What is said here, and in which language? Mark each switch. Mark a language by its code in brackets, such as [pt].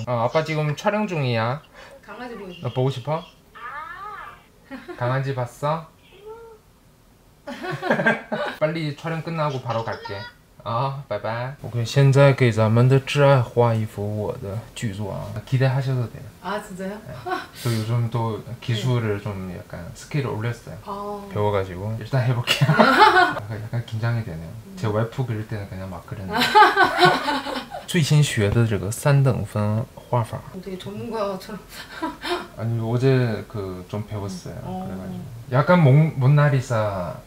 [ko] 아, 아빠 지금 촬영 중이야. 강아지 보고. 너 보고 싶어? 강아지 봤어? 빨리 촬영 끝나고 바로 갈게. 아, 바이바이. [zh] OK, 现在给咱们的挚爱画一幅我的剧作啊。 [ko] 기대하셔도 돼요. 아, 진짜요? 네. 저 요즘 또 기술을 네. 좀 약간 스킬을 올렸어요. 아... 배워가지고 일단 해볼게요. 약간 긴장이 되네요. 제 와이프 그릴 때는 그냥 막 그랬는데. [zh] 最新学的这个三等分画法。 [ko] 되게 전문가처럼. 아니, 어제 그 좀 배웠어요. 그래가지고 약간 모나리사.